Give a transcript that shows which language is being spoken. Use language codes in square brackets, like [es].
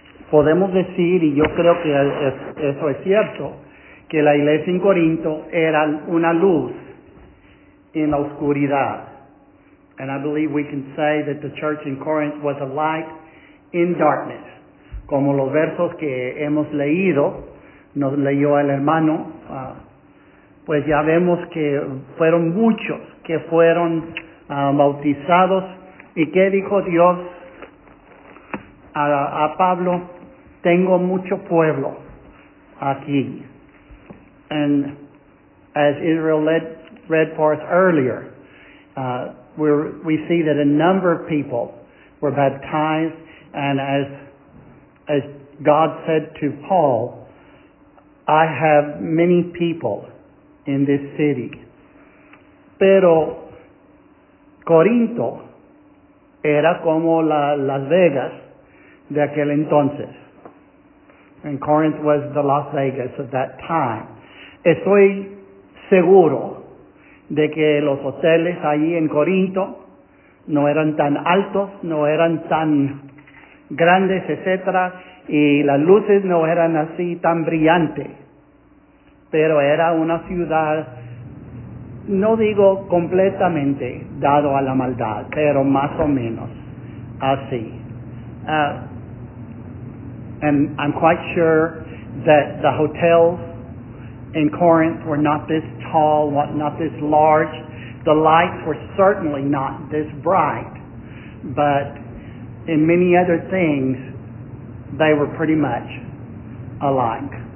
[es] Podemos decir, y yo creo que eso es cierto, que la iglesia en Corinto era una luz en la oscuridad. [en] And I believe we can say that the church in Corinth was a light in darkness. [es] Como los versos que hemos leído, nos leyó el hermano, pues ya vemos que fueron muchos que fueron bautizados. ¿Y qué dijo Dios a Pablo? Tengo mucho pueblo aquí. [en] And as Israel read for us earlier, we see that a number of people were baptized, and as God said to Paul, I have many people in this city. [es] Pero Corinto era como Las Vegas de aquel entonces. [en] And Corinth was the Las Vegas of that time. [es] Estoy seguro de que los hoteles allí en Corinto no eran tan altos, no eran tan grandes, etc. Y las luces no eran así tan brillantes. Pero era una ciudad, no digo completamente dado a la maldad, pero más o menos así. [en] And I'm quite sure that the hotels in Corinth were not this tall, not this large. The lights were certainly not this bright. But in many other things, they were pretty much alike.